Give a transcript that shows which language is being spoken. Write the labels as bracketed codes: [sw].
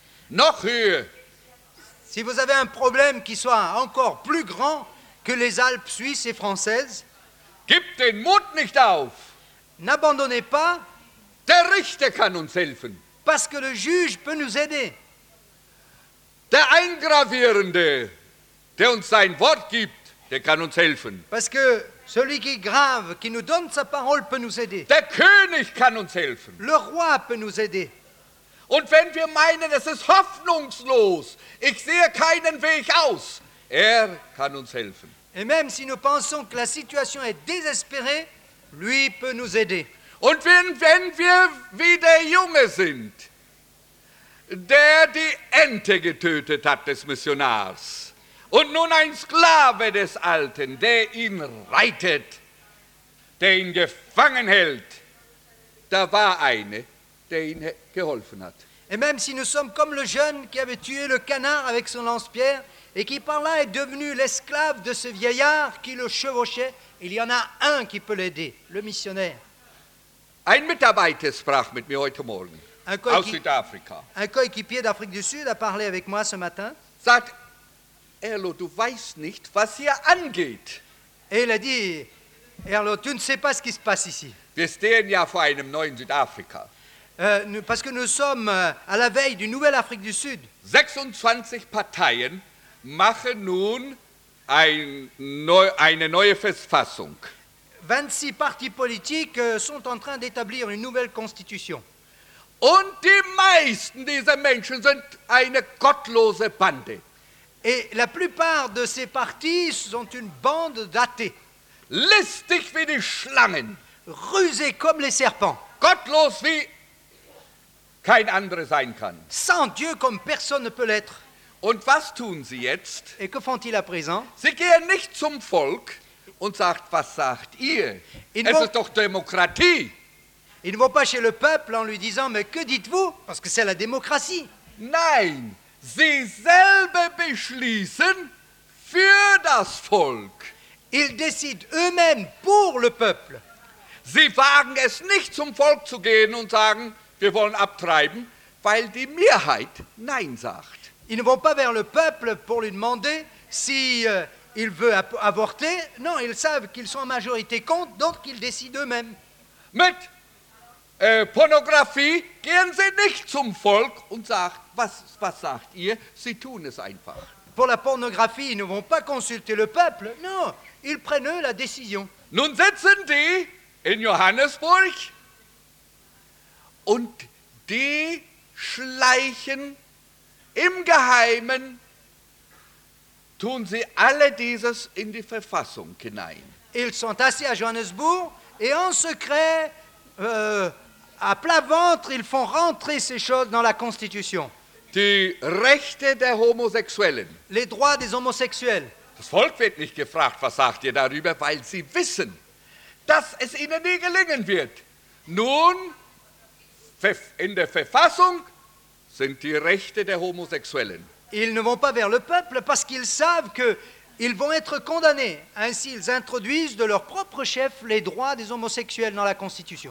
[de] Noch höher. [fr] Si vous avez un problème qui soit encore plus grand que les Alpes suisses et françaises, [de] gib den Mut nicht auf. [fr] N'abandonnez pas. [de] Der Richter kann uns helfen. [fr] Parce que le juge peut nous aider. [de] Der Eingravierende, der uns sein Wort gibt, der kann uns helfen. [fr] Parce que celui qui grave, qui nous donne sa parole, peut nous aider. [de] Der König kann uns helfen. [fr] Le roi peut nous aider. [de] Und wenn wir meinen, es ist hoffnungslos, ich sehe keinen Weg aus, er kann uns helfen. [fr] Et même si nous pensons que la situation est désespérée, lui peut nous aider. [de] Und wenn wir wie der Junge sind, der die Ente getötet hat des Missionars, und nun ein Sklave des Alten, der ihn reitet, der ihn gefangen hält, da war eine, der ihn geholfen hat. [fr] Et même si nous sommes comme le jeune qui avait tué le canard avec son lance-pierre et qui par là est devenu l'esclave de ce vieillard qui le chevauchait, il y en a un qui peut l'aider, le missionnaire. [de] Ein Mitarbeiter sprach mit mir heute Morgen aus Südafrika. [fr] Un coéquipier d'Afrique du Sud a parlé avec moi ce matin. [de] Sagt, Erlo, du weißt nicht, was hier angeht. [fr] Et il a dit, Erlo, tu ne sais pas ce qui se passe ici. [de] Wir stehen ja vor einem neuen Südafrika. [fr] Parce que nous sommes à la veille du nouvel Afrique du Sud. [de] 26 Parteien machen nun eine neue Verfassung. [fr] 26 partis politiques sont en train d'établir une nouvelle constitution. [de] Und die meisten dieser Menschen sind eine gottlose Bande. [fr] Et la plupart de ces partis sont une bande d'athées. [de] Listig wie die Schlangen. [fr] Rusés comme les serpents. [de] Gottlos wie kein anderer sein kann. [fr] Sans Dieu comme personne ne peut l'être. [de] Und was tun sie jetzt? [fr] Et que font-ils à présent? [de] Sie gehen nicht zum Volk. Und sagt, was sagt ihr? Es ist doch Demokratie. [fr] Ils ne vont pas chez le peuple en lui disant, mais que dites-vous? Parce que c'est la démocratie. [de] Nein, sie selber beschließen für das Volk. [fr] Ils décident eux-mêmes pour le peuple. [de] Sie wagen es nicht zum Volk zu gehen und sagen, wir wollen abtreiben, weil die Mehrheit Nein sagt. [fr] Ils ne vont pas vers le peuple pour lui demander si... Il veut avorter. Non, ils savent qu'ils sont en majorité contre, donc ils décident eux-mêmes. [de] Mit Pornographie gehen sie nicht zum Volk und sagen, was sagt ihr? Sie tun es einfach. [fr] Pour la pornographie, ils ne vont pas consulter le peuple. Non, ils prennent eux la décision. [de] Nun sitzen die in Johannesburg und die schleichen im Geheimen. Tun sie alle dieses in die Verfassung hinein. [fr] Ils sont assis à Johannesburg et en secret, à plat ventre, ils font rentrer ces choses dans la Constitution. [de] Die Rechte der Homosexuellen. [fr] Les droits des homosexuels. [de] Das Volk wird nicht gefragt, was sagt ihr darüber, weil sie wissen, dass es ihnen nie gelingen wird. Nun, in der Verfassung sind die Rechte der Homosexuellen. [fr] Ils ne vont pas vers le peuple parce qu'ils savent qu'ils vont être condamnés. Ainsi, ils introduisent de leur propre chef les droits des homosexuels dans la Constitution.